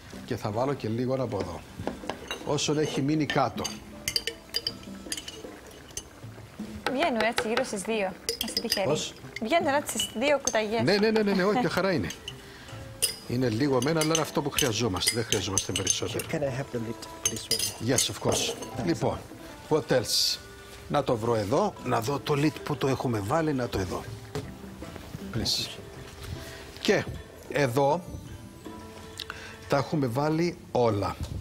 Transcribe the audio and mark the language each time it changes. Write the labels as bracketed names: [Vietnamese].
[Greek] Και θα βάλω και λίγο από εδώ. Όσο έχει μείνει κάτω. Βγαίνουν έτσι γύρω στις δύο. Ας τη χέρι. Πώς? Βγαίνουν έτσι στις δύο κουταλιές. Ναι. Όχι, χαρά είναι. Είναι λίγο μένα, αλλά είναι αυτό που χρειαζόμαστε. Δεν χρειαζόμαστε περισσότερο. [English] Can I have the lid, please? Yes, of course. [Greek] Λοιπόν, [English] what else? [Greek] Να το βρω εδώ, να δω το lid που το έχουμε βάλει, να το εδώ. [English] Please. [Greek] Και εδώ τα έχουμε βάλει όλα.